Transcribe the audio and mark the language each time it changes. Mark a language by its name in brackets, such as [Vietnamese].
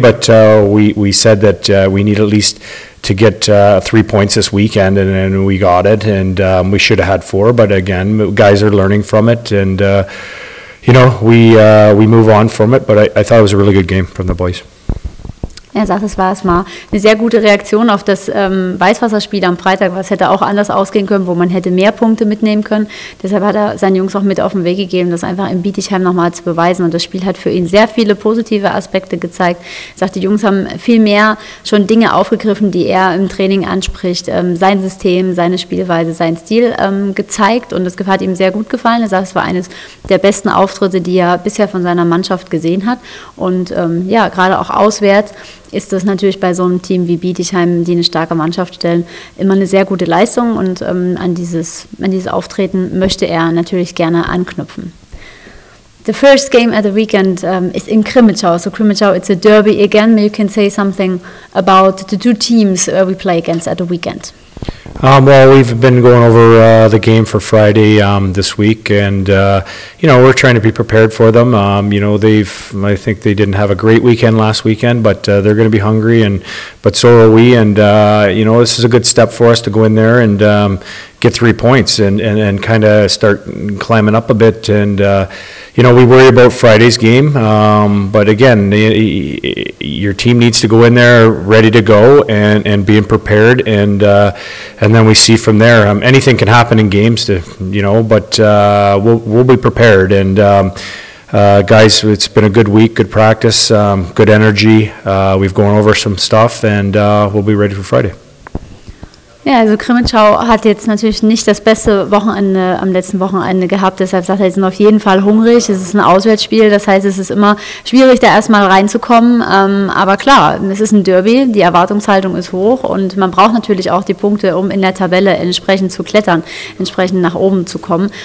[English] But we said that we need at least to get 3 points this weekend, and we got it. And we should have had four. But again, guys are learning from it. And, we move on from it. But I thought it was a really good game from the boys. [German] Er sagt, es war erstmal eine sehr gute Reaktion auf das Weißwasserspiel am Freitag, was hätte auch anders ausgehen können, wo man hätte mehr Punkte mitnehmen können. Deshalb hat er seinen Jungs auch mit auf den Weg gegeben, das einfach in Bietigheim nochmal zu beweisen. Und das Spiel hat für ihn sehr viele positive Aspekte gezeigt. Er sagt, die Jungs haben viel mehr schon Dinge aufgegriffen, die er im Training anspricht, sein System, seine Spielweise, seinen Stil gezeigt. Und das hat ihm sehr gut gefallen. Er sagt, es war eines der besten Auftritte, die er bisher von seiner Mannschaft gesehen hat. Und gerade auch auswärts ist das natürlich bei so einem Team wie Bietigheim, die eine starke Mannschaft stellen, immer eine sehr gute Leistung. Und an dieses Auftreten möchte er natürlich gerne anknüpfen. [English] The first game at the weekend is in Grimmitschau. So Grimmitschau, it's a derby again. You can say something about the two teams we play against at the weekend. Well, we've been going over the game for Friday this week, and we're trying to be prepared for them. I think they didn't have a great weekend last weekend, but they're going to be hungry, but so are we. And this is a good step for us to go in there and get 3 points and kind of start climbing up a bit. And we worry about Friday's game, but again, your team needs to go in there ready to go and being prepared, and then we see from there. Anything can happen in games, we'll be prepared. And guys, it's been a good week, good practice, good energy. We've gone over some stuff, and we'll be ready for Friday. [German] Ja, also Grimmitschau hat jetzt natürlich nicht das beste Wochenende am letzten Wochenende gehabt. Deshalb sagt er, sie sind auf jeden Fall hungrig. Es ist ein Auswärtsspiel. Das heißt, es ist immer schwierig, da erstmal reinzukommen. Aber klar, es ist ein Derby. Die Erwartungshaltung ist hoch. Und man braucht natürlich auch die Punkte, um in der Tabelle entsprechend zu klettern, entsprechend nach oben zu kommen.